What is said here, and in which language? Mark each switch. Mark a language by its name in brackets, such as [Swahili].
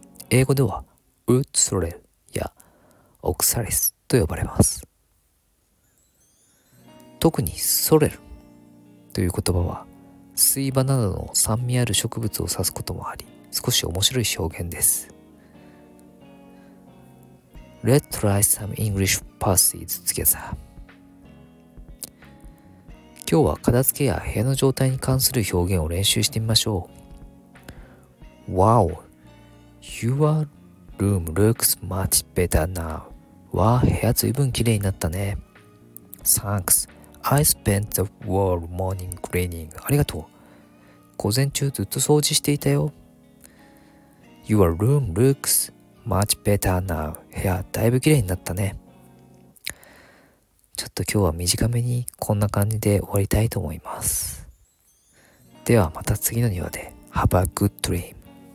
[Japanese] 英語ではウッツロレルやオクサリスと呼ばれます。特にソレルという言葉は水場などの酸味ある植物を指すこともあり、少し面白い表現です。 [English] Let's try some English passes together。 [Japanese] 今日は片付けや部屋の状態に関する表現を練習してみましょう。 [English] Wow, your room looks much better now. [Japanese] わー、部屋随分綺麗になったね。 [English] Thanks, I spent the whole morning cleaning. [Japanese] ありがとう。午前中ずっと掃除していたよ。 [English] Your room looks much better now. [Japanese] 部屋だいぶ綺麗になったね。ちょっと今日は短めにこんな感じで終わりたいと思います。ではまた次の庭で。 [English] Have a good dream.